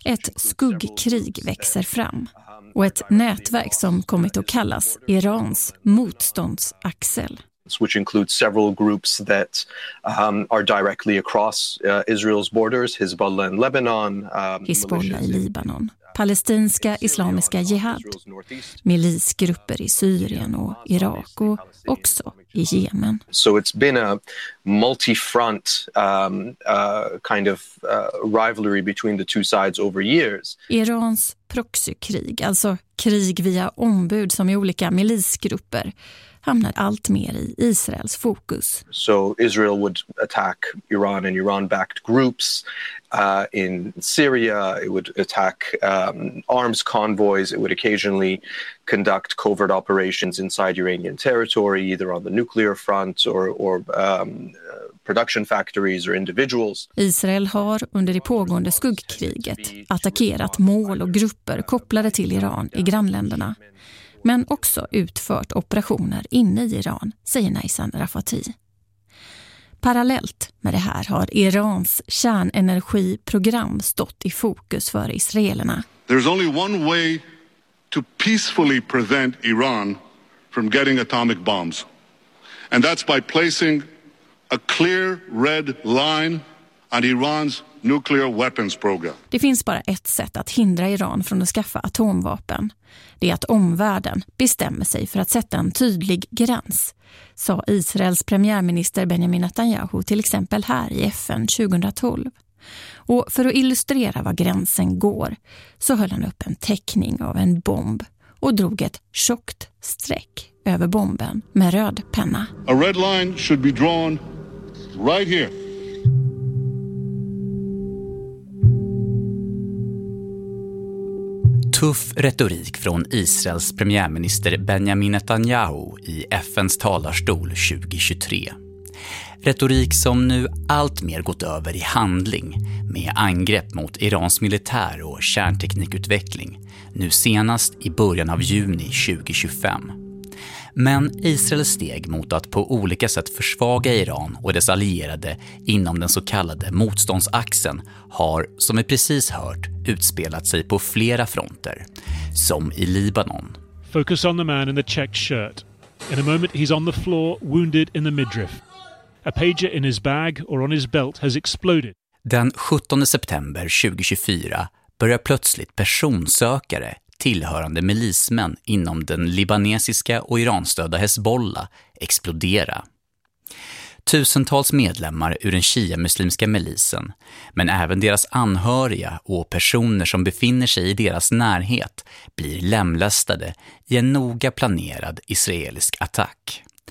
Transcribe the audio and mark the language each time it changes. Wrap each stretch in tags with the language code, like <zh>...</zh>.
<sv>Ett skuggkrig växer fram och ett nätverk som kommit att kallas Irans motståndsaxel.</sv> <en>Which includes several groups that are directly across Israel's borders, Hezbollah in Lebanon,</en> <sv>Hezbollah i Libanon, palestinska islamiska jihad, milisgrupper i Syrien och Irak och också i Yemen.</sv> <en>So it's been a multi-front kind of rivalry between the two sides over years.</en> <sv>Irans proxykrig, alltså krig via ombud som i olika milisgrupper, hamnar allt mer i Israels fokus.</sv> <en>So Israel would attack Iran and Iran-backed groups in Syria. It would attack arms convoys. It would occasionally conduct covert operations inside Iranian territory, either on the nuclear front or production factories or individuals.</en> <sv>Israel har under det pågående skuggkriget attackerat mål och grupper kopplade till Iran i grannländerna, men också utfört operationer inne i Iran, säger Naysan Rafati. Parallellt med det här har Irans kärnenergiprogram stått i fokus för israelerna.</sv> <en>There's only one way to peacefully prevent Iran from getting atomic bombs. And that's by placing a clear red line on Iran's nuclear weapons program.</en> <sv>Det finns bara ett sätt att hindra Iran från att skaffa atomvapen. Det är att omvärlden bestämmer sig för att sätta en tydlig gräns, sa Israels premiärminister Benjamin Netanyahu till exempel här i FN 2012. Och för att illustrera var gränsen går så höll han upp en teckning av en bomb och drog ett tjockt streck över bomben med röd penna.</sv> <en>A red line should be drawn right here.</en> <sv>Tuff retorik från Israels premiärminister Benjamin Netanyahu i FNs talarstol 2023. Retorik som nu allt mer gått över i handling med angrepp mot Irans militär och kärnteknikutveckling, nu senast i början av juni 2025. Men Israels steg mot att på olika sätt försvaga Iran och dess allierade inom den så kallade motståndsaxeln har, som vi precis hört, utspelat sig på flera fronter, som i Libanon.</sv> <en>Focus on the man in the checked shirt. In a moment he's on the floor, wounded in the midriff. A pager in his bag or on his belt has exploded.</en> <sv>Den 17 september 2024 börjar plötsligt personsökare tillhörande milismän inom den libanesiska och iranstödda Hezbollah explodera. Tusentals medlemmar ur den shia-muslimska milisen, men även deras anhöriga och personer som befinner sig i deras närhet, blir lemlästade i en noga planerad israelisk attack.</sv>